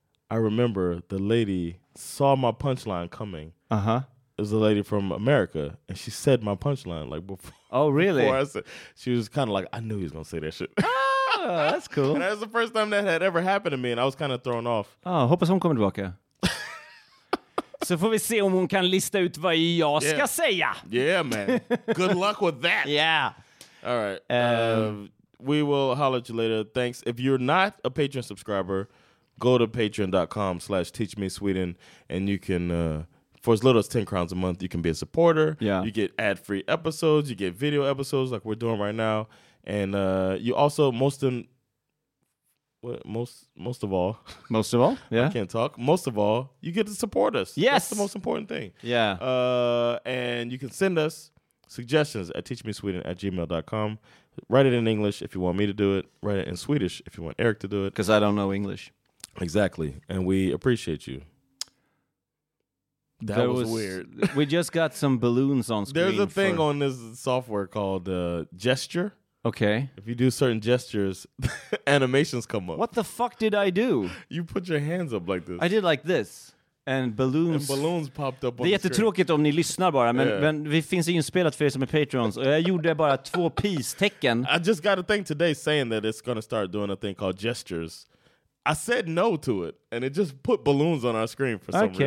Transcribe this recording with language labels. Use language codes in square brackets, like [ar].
[en] I remember the lady saw my punchline coming. Uh-huh. It was a lady from America, and she said my punchline like before. Oh, really? Before I said, she was kind of like, I knew he was going to say that shit. Oh, that's cool. And that was the first time that had ever happened to me, and I was kind of thrown off. [sv] Oh, hoppas hon kommer tillbaka. Så får vi se om hon kan lista ut vad jag ska säga. [en] Yeah, man. Good luck with that. Yeah. All right. We will holler at you later. Thanks. If you're not a Patreon subscriber, go to patreon.com/teachmesweden, and you can... for as little as 10 crowns a month, you can be a supporter. Yeah. You get ad-free episodes. You get video episodes like we're doing right now. And you also, most of all. Most of all, yeah. I can't talk. Most of all, you get to support us. Yes. That's the most important thing. Yeah. And you can send us suggestions at teachmesweden@gmail.com. Write it in English if you want me to do it. Write it in Swedish if you want Eric to do it. Because I don't know English. Exactly. And we appreciate you. That was weird. We just got some balloons on screen. There's a thing on this software called Gesture. Okay. If you do certain gestures, animations come up. What the fuck did I do? You put your hands up like this. I did like this. And balloons popped up on [sv] Det är jättetråkigt om ni lyssnar bara, men vi finns inspelat för er som är Patreons. Och jag gjorde bara två peace-tecken. [en] I just got a thing today saying that it's going to start doing a thing called gestures. I said no to it, and it just put balloons on our screen for some reason.